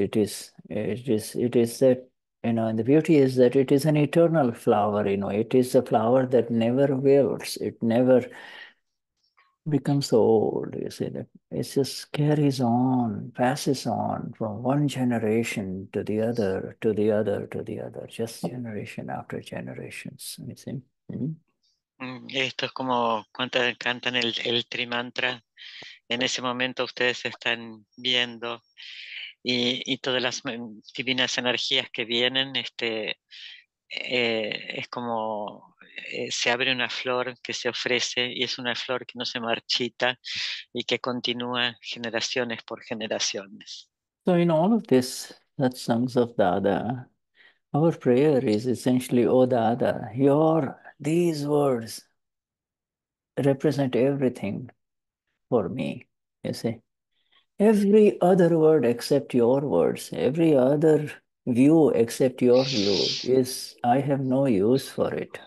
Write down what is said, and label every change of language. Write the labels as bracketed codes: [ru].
[en] It is that, you know, and the beauty is that it is an eternal flower, you know, it is a flower that never wilts, it never becomes old, you see, that it just carries on, passes on from one generation to the other, to the other, to the other, just generation after generations, you see. [es] Esto es como cuando cantan el Trimantra. En ese momento ustedes están viendo y todas las divinas energías que vienen, es como se abre una flor que se ofrece y es una flor que no se marchita y que continúa generaciones por generaciones. [en] So in all of this, that songs of Dada, our prayer is essentially, oh Dada, these words represent everything for me. You see, every other word except your words, every other view except your view, is I have no use for it.